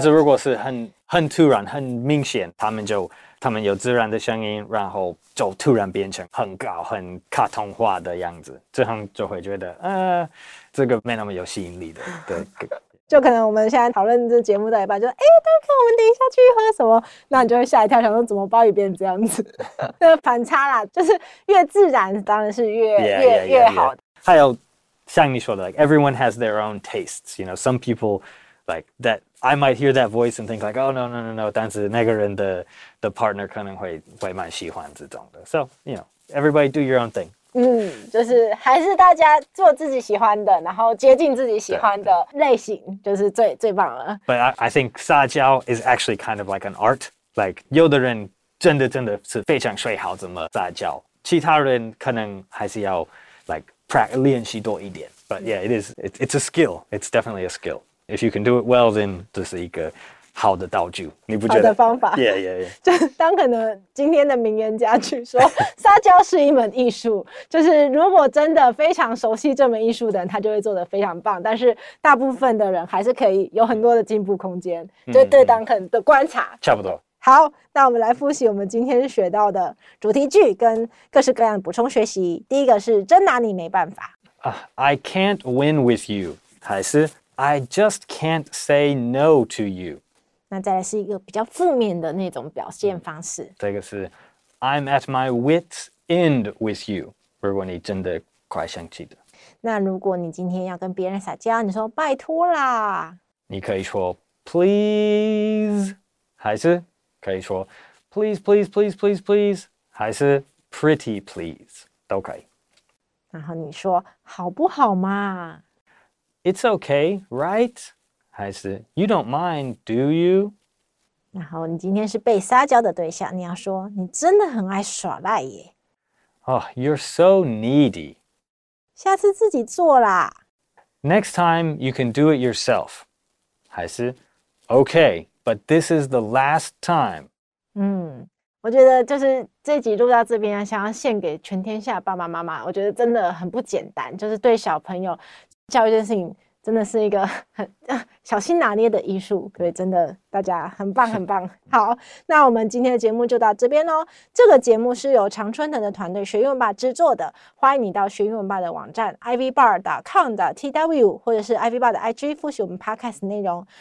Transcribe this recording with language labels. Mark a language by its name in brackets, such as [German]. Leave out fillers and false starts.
[Chinese] 但是如果是很突然很明显他们有自然的声音然后就突然变成很高很卡通化的样子，这样就会觉得这个没那么有吸引力的，对就可能我们现在讨论这节目到一半，就说：“哎，大哥，我们等一下去喝什么？” 那你就会吓一跳，想说怎么包一遍这样子，那个反差啦，就是越自然当然是越好的。还有像你说的 [English] ，like everyone has their own tastes, you know, some people like that. I might hear that voice and think like, oh no no no no, [Chinese] 但是那个人的 partner 可能会蛮喜欢这种的。 [English] So you know, everybody do your own thing. [Chinese] 就是还是大家做自己喜欢的然后接近自己喜欢的类型就是最棒了。 [English] But I think 撒娇 is actually kind of like an art. [Chinese] Like, 有的人真的是非常学好怎么撒娇。其他人可能还是要 练习多一点。 [English] But yeah, it's a skill. It's definitely a skill. If you can do it well, then [Chinese] 这是一个好的道具，你不觉得？好的方法 [English] ，Yeah, yeah, yeah. [Chinese] 就当可能今天的名言家去说，撒娇是一门艺术。就是如果真的非常熟悉这门艺术的人，他就会做得非常棒。但是大部分的人还是可以有很多的进步空间。就对当可能的观察，差不多。好，那我们来复习我们今天学到的主题句跟各式各样的补充学习。第一个是真拿你没办法。 [English] I can't win with you， [Chinese] 还是 [English] I just can't say no to you。 [Chinese] 那再来是一个比较负面的那种表现方式。这个是 [English] I'm at my wit's end with you， [Chinese] 如果你真的快生气了。那如果你今天要跟别人撒娇，你说拜托啦。你可以说 [English] please， [Chinese] 还是可以说 [English] please please please please please， 还是 pretty please， [Chinese] 都可以。然后你说好不好嘛？ [English] It's okay, right? [Chinese] 还是 [English] You don't mind, do you? [Chinese] 然后你今天是被撒娇的对象，你要说你真的很爱耍赖耶。 [English] Oh, you're so needy. [Chinese] 下次自己做啦。 [English] Next time you can do it yourself. [Chinese] 还是 [English] Okay, but this is the last time. [Chinese] 我觉得就是这集录到这边，想要献给全天下爸爸妈妈。我觉得真的很不简单，就是对小朋友教育这件事情。真的是一个很小心拿捏的艺术，对，真的大家很棒很棒。好，那我们今天的节目就到这边哦。这个节目是由常春藤的团队学英文吧制作的，欢迎你到学英文吧的网站 ivbar.com.tw 或者是 ivbar 的 IG 复习我们 podcast 内容。